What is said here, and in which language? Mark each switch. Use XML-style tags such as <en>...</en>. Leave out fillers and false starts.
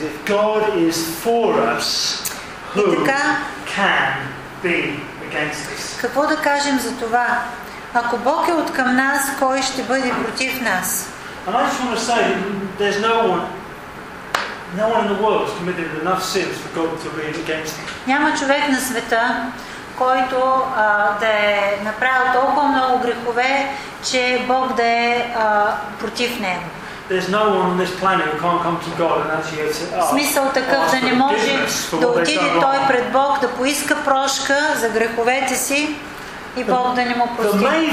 <en>If God is for us, who can be against us?</en> <bg>Какво да кажем за това? Ако Бог е откъм нас, кой ще бъде против нас?</bg> <en>And I just want to say, there's no one in the world has committed enough sins for God to be against us.</en> <bg>Няма човек на света, който да е направил толкова много грехове, че Бог да е против него.</bg> <en>There's no one on this planet who can't come to God and ask for forgiveness.</en> <bg>Смисъл такъв да не може да отиде той пред Бог да поиска прошка за греховете си. И Бог да не му прости.</bg>